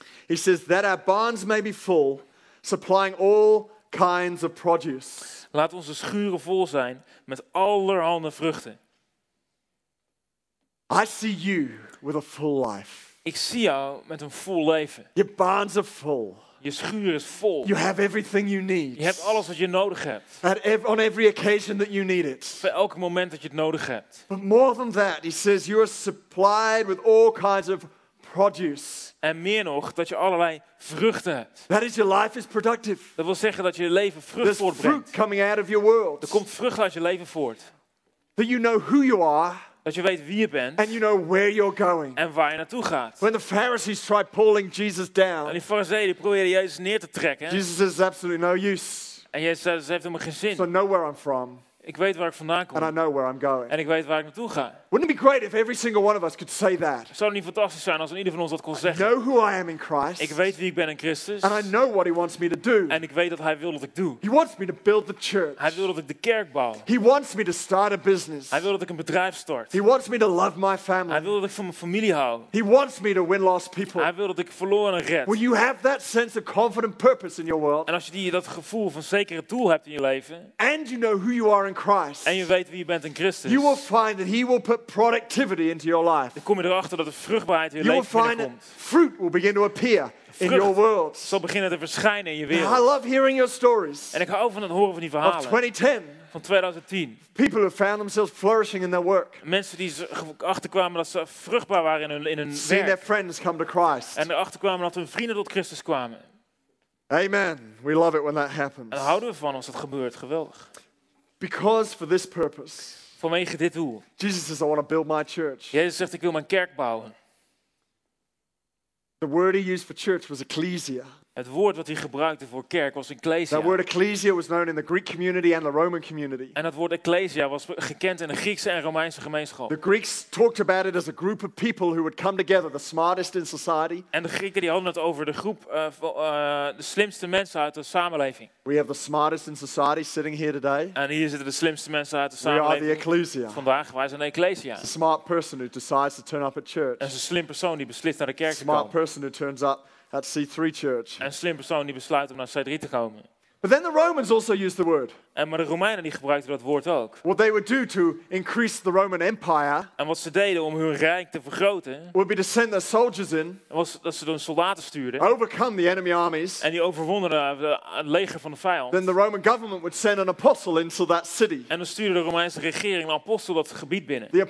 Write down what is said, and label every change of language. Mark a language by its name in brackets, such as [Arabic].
[English] He says that our barns may be full, supplying all kinds of produce. [Dutch] Laat onze schuren vol zijn met allerhande vruchten. [English] I see you with a full life. [Dutch] Ik zie jou met een vol leven. [English] Your barns are full. [Dutch] Je schuur is vol. [English] You have everything you need. [Dutch] Je hebt alles wat je nodig hebt. [English] On every occasion that you need it. [Dutch] Voor elk moment dat je het nodig hebt. [English] But more than that, he says, you are supplied with all kinds of produce. [Dutch] En meer nog, dat je allerlei vruchten hebt. [English] That is, your life is productive. [Dutch] Dat wil zeggen dat je leven vrucht [English] There's [Dutch] voortbrengt. [English] Fruit coming out of your world. [Dutch] Er komt vrucht uit je leven voort. [English] That you know who you are. [Dutch] Dat je weet wie je bent. [English] And you know where you're going. [Dutch] En waar je naartoe gaat. [English] When the Pharisees tried pulling Jesus down. [Dutch] En die fariseeën die probeerden Jezus neer te trekken. [English] Jesus is absolutely no use. [Dutch] En Jezus zei, ze heeft helemaal geen zin. [English] So I know where I'm from. [Dutch] Ik weet waar ik vandaan kom. [English] And I know where I'm going. [Dutch] En ik weet waar ik naartoe ga. [English] Wouldn't it be great if every single one of us could say that? [Dutch] Zou het niet fantastisch zijn als ieder van ons dat kon zeggen? [English] I know who I am in Christ. [Dutch] Ik weet wie ik ben in Christus. [English] And I know what he wants me to do. [Dutch] En ik weet wat hij wil dat ik doe. [English] He wants me to build the church. [Dutch] Hij wil dat ik de kerk bouw. [English] He wants me to start a business. [Dutch] Hij wil dat ik een bedrijf start. [English] He wants me to love my family. [Dutch] Hij wil dat ik van mijn familie hou. [English] He wants me to win lost people. [Dutch] Hij wil dat ik verloren red. [English] When you have that sense of confident purpose in your world. [Dutch] En als je dat gevoel van zekere doel hebt in je leven. [English] And you know who you are in Christ. [Dutch] En je weet wie je bent in Christus. [English] You will find that he will put productivity into your life. [Dutch] Dan kom je erachter dat de vruchtbaarheid in je leven binnenkomt. [English] Fruit will begin to appear in your world. [Dutch] Vrucht zal beginnen te verschijnen in je wereld. [English] I love hearing your stories. [Dutch] En ik hou van het horen van die verhalen. [English] Of 2010. [Dutch] Van 2010. [English] People who found themselves flourishing in their work. [Dutch] Mensen die achterkwamen dat ze vruchtbaar waren in hun werk. [English] Seeing their friends come to Christ. [Dutch] En achterkwamen dat hun vrienden tot Christus kwamen. [English] Amen. We love it when that happens. [Dutch] En houden we van als dat gebeurt. Geweldig. [English] Because for this purpose. [Dutch] Vanwege dit doel. [English] Jesus says, I want to build my church. [Dutch] Jezus zegt, ik wil mijn kerk bouwen. [English] The word he used for church was ecclesia. [Dutch] Het woord wat hij gebruikte voor kerk was ecclesia. [English] That word ecclesia was known in the Greek community and the Roman community. [Dutch] En dat woord ecclesia was gekend in de Griekse en Romeinse gemeenschap. [English] The Greeks talked about it as a group of people who would come together, the smartest in society. [Dutch] En de Grieken die hadden het over de groep de slimste mensen uit de samenleving. [English] We have the smartest in society sitting here today. [Dutch] En hier zitten de slimste mensen uit de samenleving. [English] We are the ecclesia. [Dutch] Vandaag wij zijn de ecclesia. [English] It's a smart person who decides to turn up at church. [Dutch] En is een slim persoon die beslist naar de kerk te komen. [English] Smart person who turns up. At C3 church. [Dutch] En slim persoon die besluit om naar C3 te komen. [English] But then the Romans also used the word. [Dutch] En maar de Romeinen die gebruikten dat woord ook. [English] What they would do to increase the Roman Empire. [Dutch] En wat ze deden om hun rijk te vergroten. [English] Would be to send their soldiers in. [Dutch] Was dat ze hun soldaten stuurden. [English] Overcome the enemy armies. [Dutch] En die overwonnen het leger van de vijand. [English] Then the Roman government would send an apostle into that city. [Dutch] En dan stuurde de Romeinse regering een apostel dat gebied binnen.